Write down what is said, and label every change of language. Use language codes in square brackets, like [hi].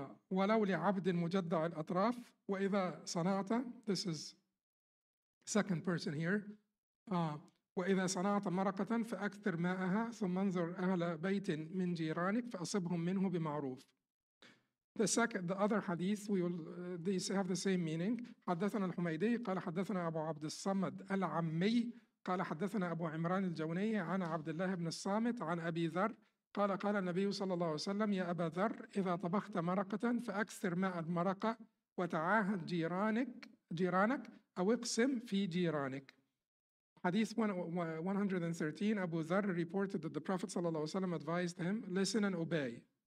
[ar] ولو لعبد مجدع الأطراف وإذا صنعت. [en] This is second person here. [ar] وإذا صنعت مرقة فأكثر ماءها ثم انظر أهل بيت من جيرانك فأصبهم منه بمعروف. [en] The other hadith, these have the same meaning. [ar] حدثنا الحميدي قال حدثنا أبو عبد الصمد العمي قال حدثنا أبو عمران الجوني عن عبد الله بن الصامت عن أبي ذر قال النبي صلى الله عليه وسلم يا أبا ذر إذا طبخت مرقة فأكثر ماء المرقة وتعاهد جيرانك أو اقسم في جيرانك. [en] Hadith 113, Abu Dharr reported that the Prophet ﷺ advised him, listen and obey.